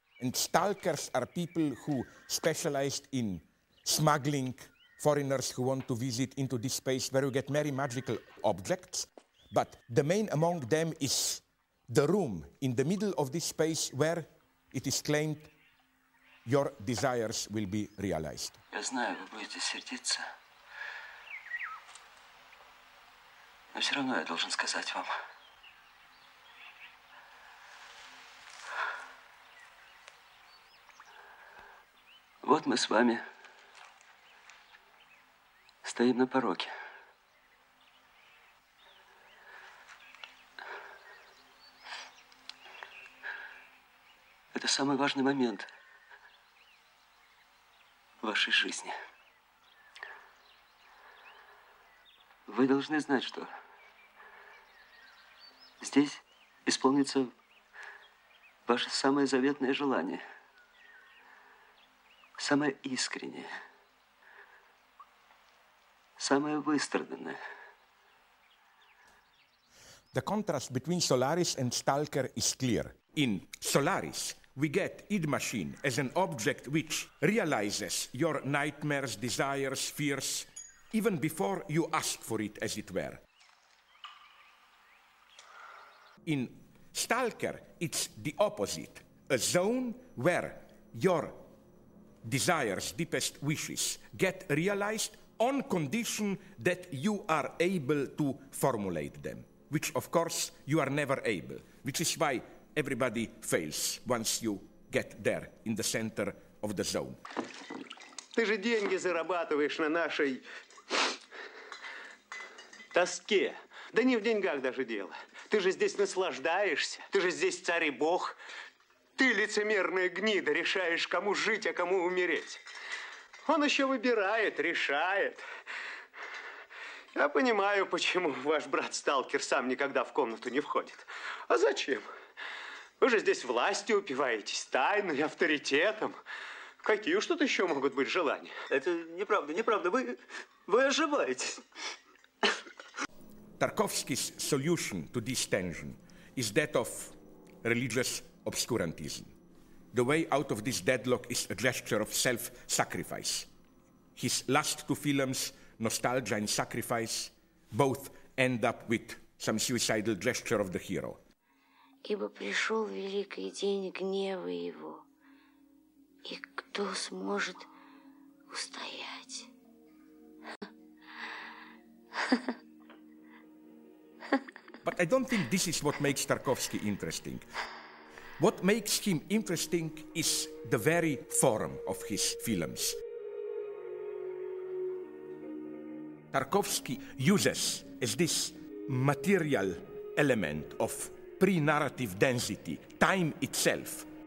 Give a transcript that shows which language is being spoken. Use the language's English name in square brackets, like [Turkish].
[English] And stalkers are people who specialized in smuggling foreigners who want to visit into this space where you get many magical objects. But the main among them is the room in the middle of this space where it is claimed your desires will be realized. [Russian] Я знаю, вы будете сердиться. Но все равно я должен сказать вам. Вот мы с вами стоим на пороге. Это самый важный момент вашей жизни. Вы должны знать, что здесь исполнится ваше самое заветное желание, самое искреннее, самое выстраданное. [English] The contrast between Solaris and Stalker is clear. In Solaris, we get id machine as an object which realizes your nightmares, desires, fears, even before you ask for it, as it were. In Stalker, it's the opposite, a zone where your desires, deepest wishes, get realized on condition that you are able to formulate them, which, of course, you are never able, which is why everybody fails once you get there in the center of the zone. [Russian] Ты же деньги зарабатываешь на нашей тоске. Да не в деньгах даже дело. Ты же здесь наслаждаешься. Ты же здесь царь и бог. Ты, лицемерная гнида, решаешь, кому жить, а кому умереть. Он еще выбирает, решает. Я понимаю, почему ваш брат-сталкер сам никогда в комнату не входит. А зачем? Вы же здесь властью упиваетесь, тайной, авторитетом. Какие уж тут еще могут быть желания? Это неправда, неправда. Вы ошибаетесь. [English] Тарковский's solution to this tension is that of religious obscurantism. The way out of this deadlock is a gesture of self-sacrifice. His last two films, Nostalgia and Sacrifice, both end up with some suicidal gesture of the hero. [Russian] Ибо пришел великий день гнева его, и кто сможет устоять? [English] But I don't think this is what makes Tarkovsky interesting. What makes him interesting is the very form of his films. Tarkovsky uses as this material element of pre-narrative density, time itself.